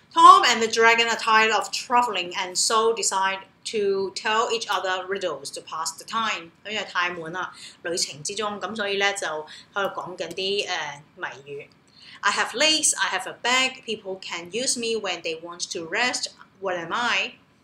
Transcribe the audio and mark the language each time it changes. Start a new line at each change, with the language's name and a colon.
English: Tom and the dragon are tired of traveling and so decide to tell each other riddles to pass the time.
Cantonese: 因為太悶了，旅程之中，所以呢就在講緊啲謎語。
English: I have legs, I have a bag, people can use me when they want to rest, what am I?